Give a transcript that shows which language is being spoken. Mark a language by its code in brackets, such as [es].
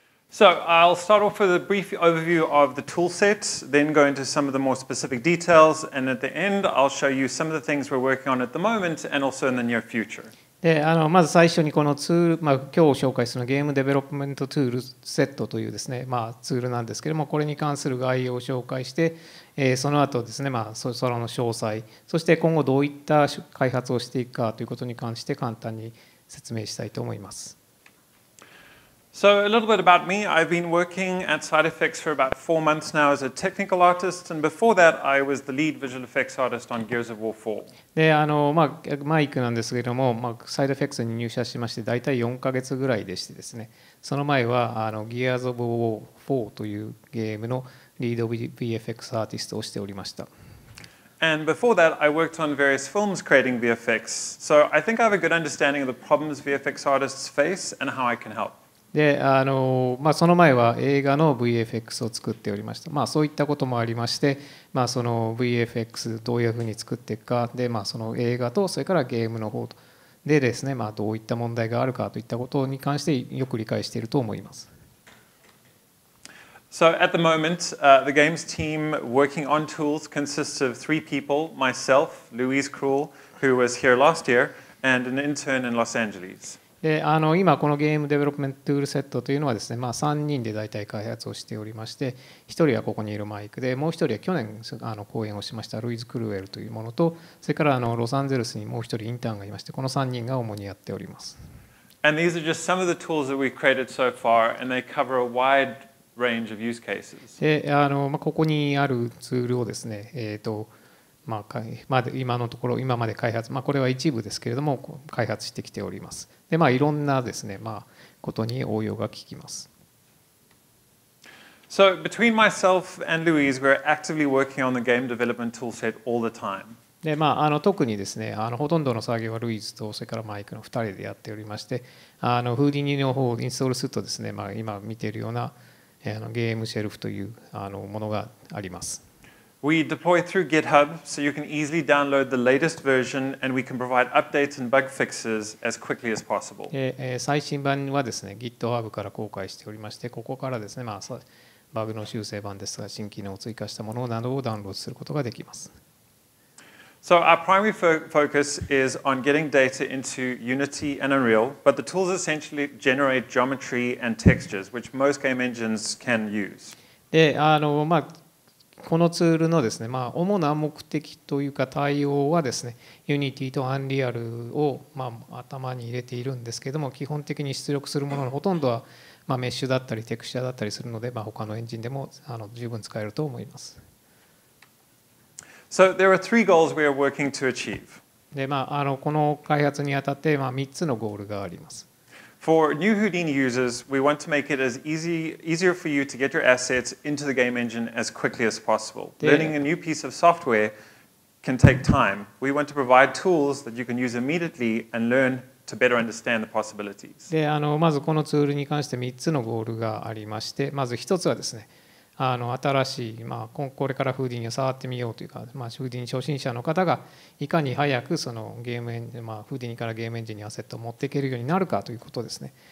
[en] So I'll start off with a brief overview of the tool set, then go into some of the more specific details, and at the end I'll show you some of the things we're working on at the moment and also in the near future. [ja] で、まず最初にこのツール、今日紹介するゲームデベロップメントツールセットというですね、ツールなんですけれども、これに関する概要を紹介して、その後ですね、その詳細、そして今後どういった開発をしていくかということに関して簡単に説明したいと思います。 [en] So a little bit about me. I've been working at SideFX for about 4 months now as a technical artist, and before that, I was the lead visual effects artist on Gears of War 4. [ja] で、マイクなんですけれども、SideFX に入社しまして大体4ヶ月ぐらいでしてですね。その前は Gears of War 4 というゲームのリード VFX アーティストをしておりました。 [en] And before that, I worked on various films creating VFX. So I think I have a good understanding of the problems VFX artists face and how I can help. [ja] で、まあ、その前は映画の VFX を作っておりました。まあ、そういったこともありまして、まあ、その VFX どういうふうに作っていくかで、まあ、その映画とそれからゲームの方でですね、まあ、どういった問題があるかといったことに関してよく理解していると思います。 [en] So at the moment, the games team working on tools consists of three people, myself, Louise Krull, who was here last year, and an intern in Los Angeles. [ja] で、今このゲームデベロップメントツールセットというのはですね、まあ、3人で大体開発をしておりまして、1人はここにいるマイクで、もう1人は去年講演をしましたルイズ・クルウェルというものと、それからロサンゼルスにもう1人インターンがいまして、この3人が主にやっております。 [en] And these are just some of the tools that we've created so far, and they cover a wide range of use cases. [ja] で、まあ、ここにあるツールをですね、まあ、今のところ今まで開発、まあ、これは一部ですけれども開発してきております。で、まあ、いろんなですね、まあ、ことに応用が効きます。 [en] So between myself and Louise, we're actively working on the game development tool set all the time. [ja] で、まあ、特にですね、ほとんどの作業はルイズとそれからマイクの2人でやっておりまして、フーディニの方をインストールするとですね、まあ、今見ているようなゲームシェルフというものがあります。 [en] We deploy through GitHub, so you can easily download the latest version, and we can provide updates and bug fixes as quickly as possible. [ja] 最新版はですね、GitHub から公開しておりまして、ここからですね、まあ、バグの修正版ですが、新機能を追加したものなどをダウンロードすることができます。 [en] So our primary focus is on getting data into Unity and Unreal, but the tools essentially generate geometry and textures, which most game engines can use. [ja] で、まあ、このツールのですね、まあ、主な目的というか対応はですね、Unity と Unreal を、まあ、頭に入れているんですけれども、基本的に出力するもののほとんどは、まあ、メッシュだったりテクスチャーだったりするので、まあ、他のエンジンでも十分使えると思います。 [en] So there are three goals we are working to achieve. [ja] で、まあ、この開発にあたって、まあ、3つのゴールがあります。 [en] For new Houdini users, we want to make it as easier for you to get your assets into the game engine as quickly as possible. Learning a new piece of software can take time. We want to provide tools that you can use immediately and learn to better understand the possibilities. [ja] で、まずこのツールに関して3つのゴールがありまして、まず1つはですね、新しい、まあ、これからフーディニを触ってみようというか、まあ、フーディニ初心者の方がいかに早くそのゲームエンジン、まあ、フーディニからゲームエンジンにアセットを持っていけるようになるかということですね。